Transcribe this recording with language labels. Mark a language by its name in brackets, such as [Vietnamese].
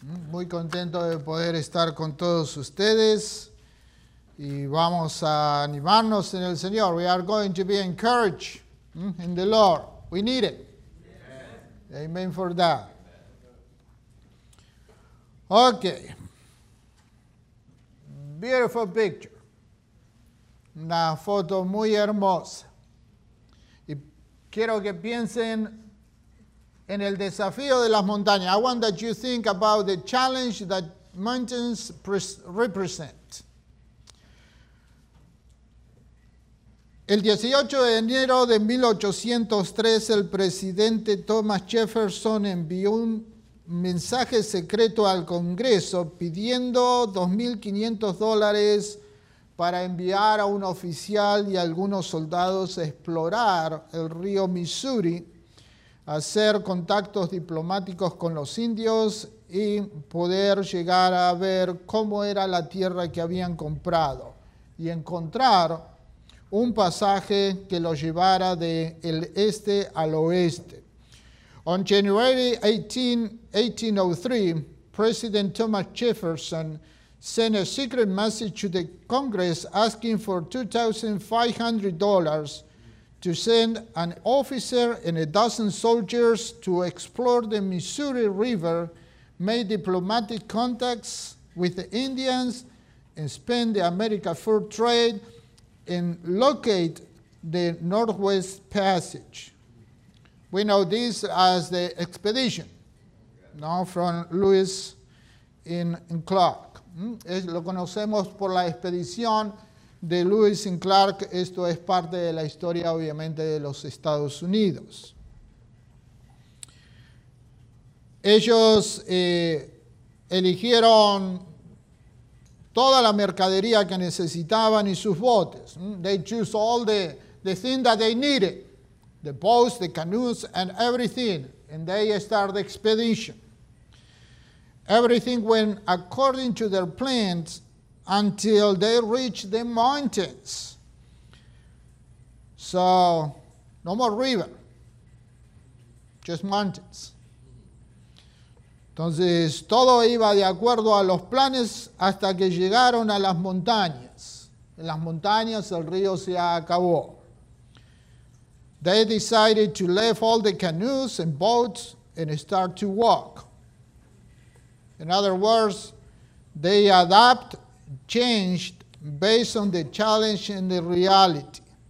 [Spanish] Muy contento de poder estar con todos ustedes. Y vamos a animarnos en el Señor. [English] We are going to be encouraged in the Lord. We need it. Amen for that. Okay. Beautiful picture. [Spanish] Una foto muy hermosa. Y quiero que piensen en el desafío de las montañas. [English] I want that you think about the challenge that mountains represent. [Spanish] El 18 de enero de 1803, el presidente Thomas Jefferson envió un mensaje secreto al Congreso pidiendo $2,500 para enviar a un oficial y algunos soldados a explorar el río Misuri, hacer contactos diplomáticos con los indios y poder llegar a ver cómo era la tierra que habían comprado y encontrar un pasaje que lo llevara de el este al oeste. [English] On January 18, 1803, President Thomas Jefferson sent a secret message to the Congress asking for $2,500 to send an officer and a dozen soldiers to explore the Missouri River, make diplomatic contacts with the Indians, and spend the America fur trade and locate the Northwest Passage. We know this as the expedition. Yes. No, from Lewis in Clark. [Spanish] Lo conocemos por la expedición de Lewis in Clark. Esto es parte de la historia, obviamente, de los Estados Unidos. Ellos eligieron toda la mercadería que necesitaban y sus botes. [English] They choose all the things that they needed. The boats, the canoes, and everything. And they start the expedition. Everything went according to their plans until they reached the mountains. So, no more river. Just mountains. [Spanish] Entonces, todo iba de acuerdo a los planes hasta que llegaron a las montañas. En las montañas el río se acabó. [English] They decided to leave all the canoes and boats and start to walk. In other words, they adapt, changed based on the challenge and the reality.